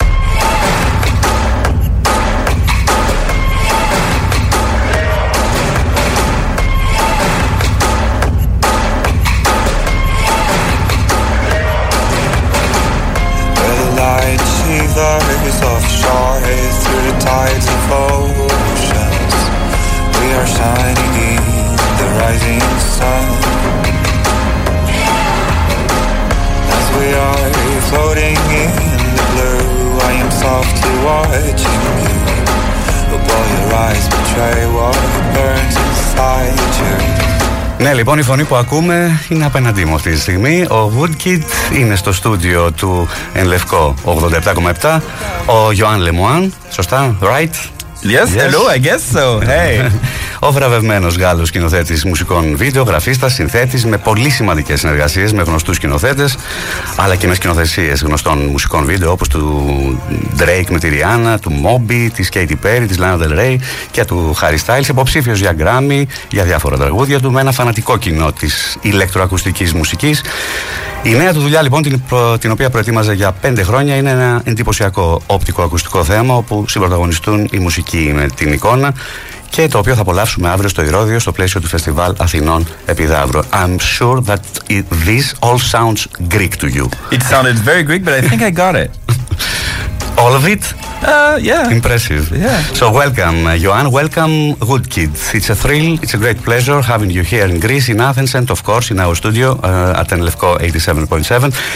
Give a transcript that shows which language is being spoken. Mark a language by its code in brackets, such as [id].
[en] Where the light shivers offshore through the tides of oceans, we are shining in the rising sun. We are floating in the blue. I am softly watching you, but all your eyes betray what burns inside you. [el] Ναι, λοιπόν, η φωνή που ακούμε είναι απέναντί μου αυτή τη στιγμή. Ο Woodkid είναι στο στούντιο του NLEFCO 87,7. Ο Ιωάν Λεμουάν, σωστά, right? [en] Yes, hello, I guess so. Hey. [el] Ο βραβευμένος Γάλλος σκηνοθέτης μουσικών βίντεο, γραφίστας, συνθέτης με πολύ σημαντικές συνεργασίες με γνωστούς σκηνοθέτες, αλλά και με σκηνοθεσίες γνωστών μουσικών βίντεο όπως του Drake με τη Rihanna, του Moby, της Katy Perry, της Lana Del Rey και του Harry Styles, υποψήφιος για Grammy για διάφορα τραγούδια του, με ένα φανατικό κοινό της ηλεκτροακουστικής μουσικής. Η νέα του δουλειά, λοιπόν, την οποία προετοίμαζε για 5 χρόνια, είναι ένα εντυπωσιακό οπτικοακουστικό θέμα όπου συμπροταγωνιστούν η μουσική με την εικόνα και το οποίο θα απολαύσουμε αύριο στο Ηρώδιο στο πλαίσιο του Φεστιβάλ Αθηνών Επιδαύρου. [en] I'm sure that this all sounds Greek to you. It sounded very Greek, but I think I got it. All of it? Yeah. Impressive. Yeah. So welcome, Ioan. Welcome, Woodkid. It's a thrill, it's a great pleasure having you here in Greece, in Athens, and of course in our studio at NLEFCO 87.7.